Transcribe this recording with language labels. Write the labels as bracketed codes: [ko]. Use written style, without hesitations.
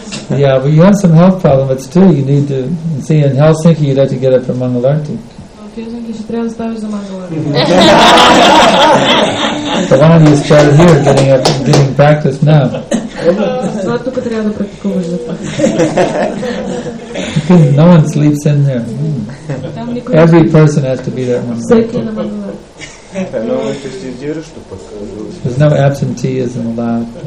[en] Yeah, but you have some health problems too. You need to see in Helsinki, you'd have to get up for Mangalarti. [bg] В Хелсинки ще трябва да ставиш за Мангаларти. [en] But one of you is chatted here getting up and getting practice now. No one sleeps in there. Every person has to be there. There's no absenteeism allowed.